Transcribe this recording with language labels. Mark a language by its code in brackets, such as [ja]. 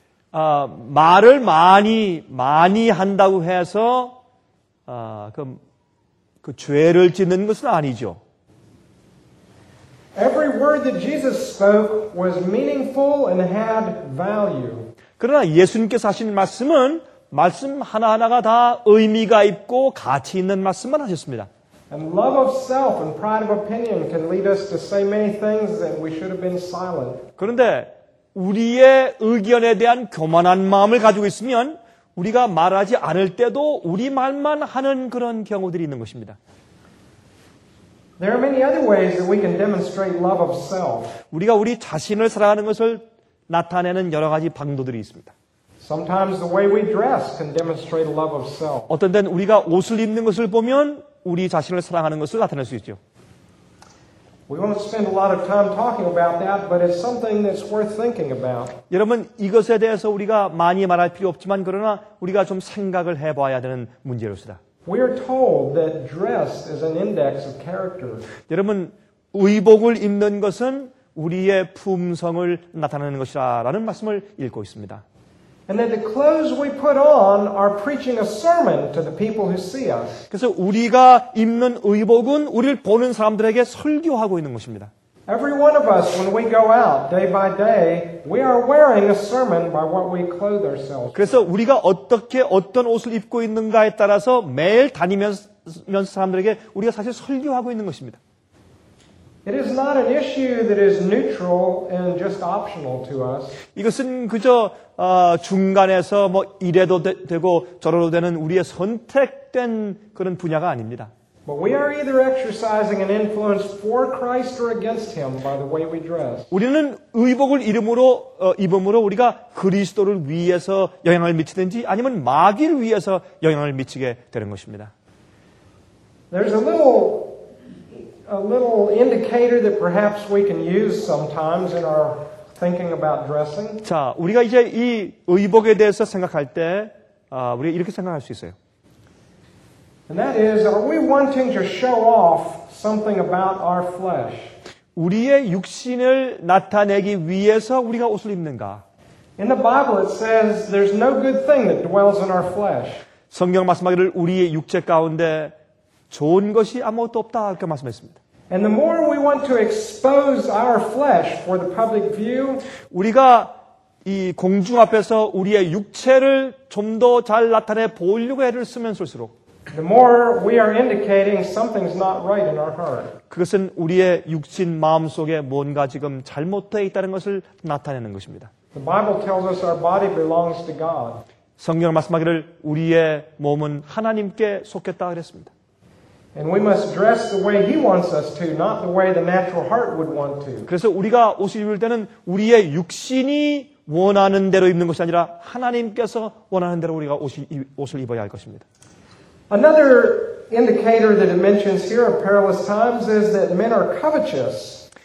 [ko] 말을 많이 한다고 해서 그 죄를 짓는 것은 아니죠. [en] Every word that Jesus spoke was meaningful and had value. [ko] 그러나 예수님께서 하신 말씀 하나하나가 다 의미가 있고 가치 있는 말씀만 하셨습니다. [en] And love of self and pride of opinion can lead us to say many things that we should have been silent. [ko] 그런데 우리의 의견에 대한 교만한 마음을 가지고 있으면 우리가 말하지 않을 때도 우리 말만 하는 그런 경우들이 있는 것입니다. [en] There are many other ways that we can demonstrate love of self. [ko] 우리가 우리 자신을 사랑하는 것을 나타내는 여러 가지 방도들이 있습니다. [en] Sometimes the way we dress can demonstrate love of self. [ko] 어떤 때는 우리가 옷을 입는 것을 보면 우리 자신을 사랑하는 것을 나타낼 수 있죠. [en] We won't spend a lot of time talking about that, but it's something that's worth thinking about. [ko] 여러분, 이것에 대해서 우리가 많이 말할 필요 없지만 그러나 우리가 좀 생각을 해봐야 되는 문제로서다. [en] We are told that dress is an index of character. [ko] 여러분, 의복을 입는 것은 우리의 품성을 나타내는 것이라는 말씀을 읽고 있습니다. [en] And that the clothes we put on are preaching a sermon to the people who see us. [ko] 그래서 우리가 입는 의복은 우리를 보는 사람들에게 설교하고 있는 것입니다. [en] Every one of us, when we go out day by day, we are wearing a sermon by what we clothe ourselves. [ko] 그래서 우리가 어떻게 어떤 옷을 입고 있는가에 따라서 매일 다니면서 사람들에게 우리가 사실 설교하고 있는 것입니다. [en] It is not an issue that is neutral and just optional to us. [ko] 이것은 그저 중간에서 뭐 이래도 되고 저래도 되는 우리의 선택된 그런 분야가 아닙니다. [en] But we are either exercising an influence for Christ or against Him by the way we dress. [ko] 우리는 의복을 입음으로 우리가 그리스도를 위해서 영향을 미치든지 아니면 마귀를 위해서 영향을 미치게 되는 것입니다. [en] There's a little indicator that perhaps we can use sometimes in our thinking about dressing. [ko] 자, 우리가 이제 이 의복에 대해서 생각할 때, 우리가 이렇게 생각할 수 있어요. [en] And that is, are we wanting to show off something about our flesh? [ko] 우리의 육신을 나타내기 위해서 우리가 옷을 입는가? [en] In the Bible, it says there's no good thing that dwells in our flesh. [ko] 성경 말씀하기를 우리의 육체 가운데 좋은 것이 아무것도 없다 이렇게 말씀했습니다. [en] And the more we want to expose our flesh for the public view, [ko] 우리가 이 공중 앞에서 우리의 육체를 좀 더 잘 나타내 보이려고 애를 쓰면 쓸수록, [en] the more we are indicating something's not right in our heart. [ko] 그것은 우리의 육신 마음 속에 뭔가 지금 잘못되어 있다는 것을 나타내는 것입니다. [en] The Bible tells us our body belongs to God. [ko] 성경 말씀하기를 우리의 몸은 하나님께 속했다 그랬습니다. [en] And we must dress the way He wants us to, not the way the natural heart would want to. [ko] 그래서 우리가 옷을 입을 때는 우리의 육신이 원하는 대로 입는 것이 아니라 하나님께서 원하는 대로 우리가 옷을 입어야 할 것입니다. [en] Another indicator that it mentions here of perilous times is that men are covetous.